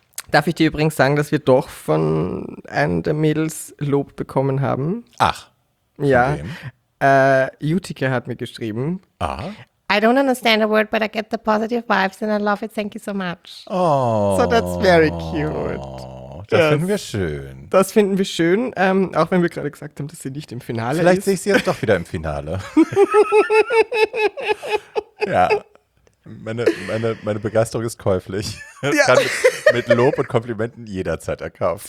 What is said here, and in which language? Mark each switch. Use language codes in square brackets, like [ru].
[de] Darf ich dir übrigens sagen, dass wir doch von einem der Mädels Lob bekommen haben? Ach. Ja, Utica hat mir geschrieben. Aha. [en] I don't understand a word, but I get the positive vibes and I love it. Thank you so much. Oh. So that's very cute. [de] Das finden wir schön, auch wenn wir gerade gesagt haben, dass sie nicht im Finale Vielleicht ist. Vielleicht sehe ich sie jetzt doch wieder im Finale. Ja, meine Begeisterung ist käuflich. Ja. Kann mit Lob und Komplimenten jederzeit erkauft.